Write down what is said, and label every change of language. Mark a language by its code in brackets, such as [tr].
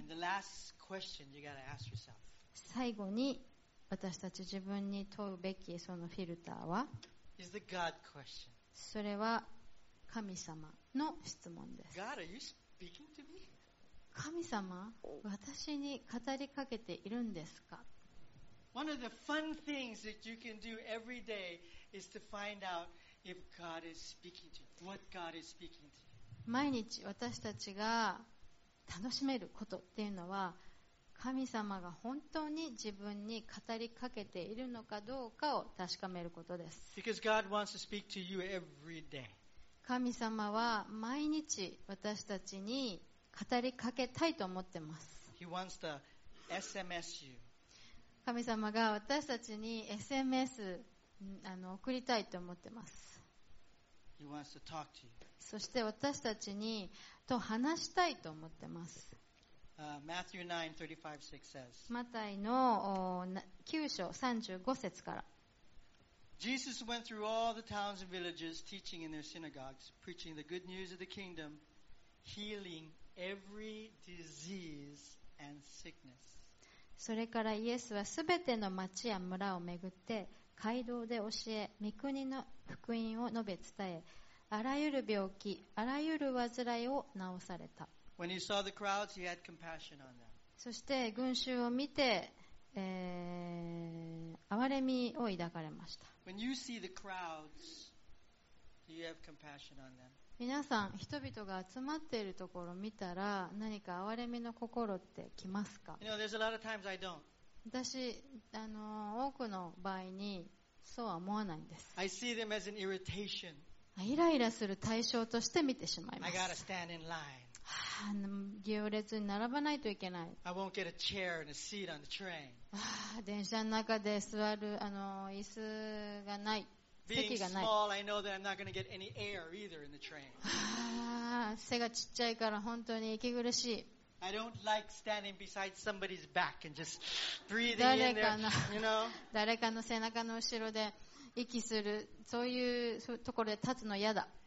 [en] And the last question you gotta ask yourself. [ja] 最後に私たち自分に問うべきそのフィルターは、 [en] is the God question. [ja] それは神様の質問です。 [en] God, are you speaking to me? [ja] 神様、私に語りかけているんですか。 [en] One of the fun things that you can do every day is to find out if God is speaking to you, what God is speaking to you. [ja] 毎日私たちが楽しめることっていうのは、神様が本当に自分に語りかけているのかどうかを確かめることです。 [en] Because God wants to speak to you every day. [ja] 神様は毎日私たちに語りかけたいと思ってます。 [en] He wants to SMS you. [ja] 神様が私たちに SMS 送りたいと思ってます。 [en] He wants to talk to you. [ja] そして私たちにと話したいと思ってます。 [en] Matthew 9:35-36 says, [ja] マタイの9章35節から、 [en] Jesus went through all the towns and villages, teaching in their synagogues, preaching the good news of the kingdom, healingEvery disease and sickness. [ja] それからイエスはすべての町や村をめぐって街道で教え、御国の福音を述べ伝え、あらゆる病気、あらゆる患いを治された。 [en] When he saw the crowds, he had compassion on them. [ja] そして群衆を見て、憐れみを抱かれました。 [en] When you see the crowds, do you have compassion on them? [ja] 皆さん、人々が集まっているところを見たら、何か憐れみの心ってきますか？ [en] You know, there's a lot of times I don't. [ja] 私、多くの場合にそうは思わないんです。 [en] I see them as an irritation. [ja] イライラする対象として見てしまいます。 [en] I gotta stand in line. [ja] 行列に並ばないといけない。 [en] I won't get a chair and a seat on the train. [ja] 電車の中で座る椅子がない。 [en] Being small, I know that I'm not going to get any air either in the train. Ah, small, I know that I'm not going to get any air either in the train. I don't like standing beside somebody's back and just breathing in there. You know? [ja] 誰かの背中の後ろで息する、そういうところで立つの嫌だ。